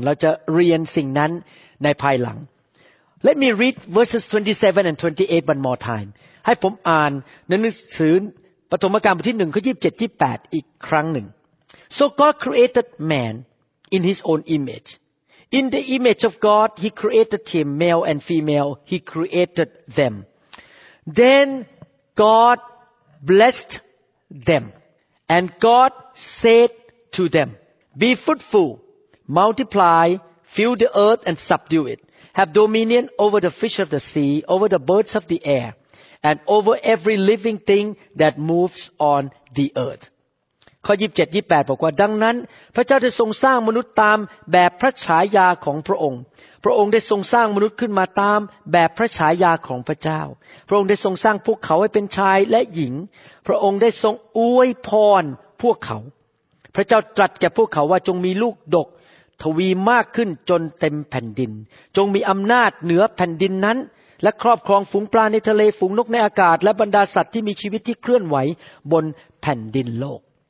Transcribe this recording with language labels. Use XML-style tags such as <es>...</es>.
<th>เราจะเรียนสิ่งนั้นในภายหลัง</th> <en>Let me read verses 27 and 28 one more time.</en> <th>ให้ผมอ่านหนังสือปฐมกาลบทที่1ข้อ27 28 อีกครั้งหนึ่ง</th> <en>So God created man in his own image. In the image of God, he created him, male and female, he created them. Then God blessed them, and God said to them, Be fruitful, multiply, fill the earth and subdue it. Have dominion over the fish of the sea, over the birds of the air, and over every living thing that moves on the earth.</en> <th>ข้อ 27-28 บอกว่าดังนั้นพระเจ้าได้ทรงสร้างมนุษย์ตามแบบพระฉายาของพระองค์พระองค์ได้ทรงสร้างมนุษย์ขึ้นมาตามแบบพระฉายาของพระเจ้าพระองค์ได้ทรงสร้างพวกเขาให้เป็นชายและหญิงพระองค์ได้ทรงอวยพรพวกเขาพระเจ้าตรัสแก่พวกเขาว่าจงมีลูกดกทวีมากขึ้นจนเต็มแผ่นดินจงมีอำนาจเหนือแผ่นดินนั้นและครอบครองฝูงปลาในทะเลฝูงนกในอากาศและบรรดาสัตว์ที่มีชีวิตที่เคลื่อนไหวบนแผ่นดินโลก</th>